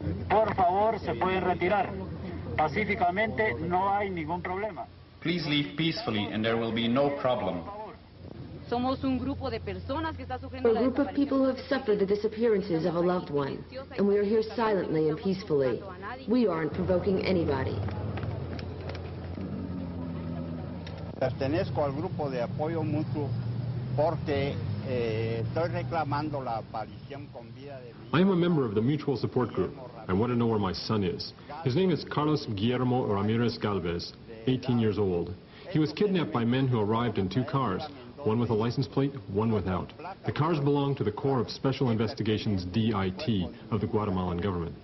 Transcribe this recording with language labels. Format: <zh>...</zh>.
<es>Por favor, se pueden retirar. Pacíficamente, no hay ningún problema.</es> <en>Please leave peacefully and there will be no problem. A group of people who have suffered the disappearances of a loved one, and we are here silently and peacefully. We aren't provoking anybody.</en> <es>Pertenezco al grupo de apoyo mutuo porque estoy reclamando la aparición con vida de mi hijo.</es> <en>I am a member of the mutual support group. I want to know where my son is. His name is Carlos Guillermo Ramirez Galvez, 18 years old. He was kidnapped by men who arrived in two cars, one with a license plate, one without. The cars belonged to the Corps of Special Investigations, DIT, of the Guatemalan government.</en>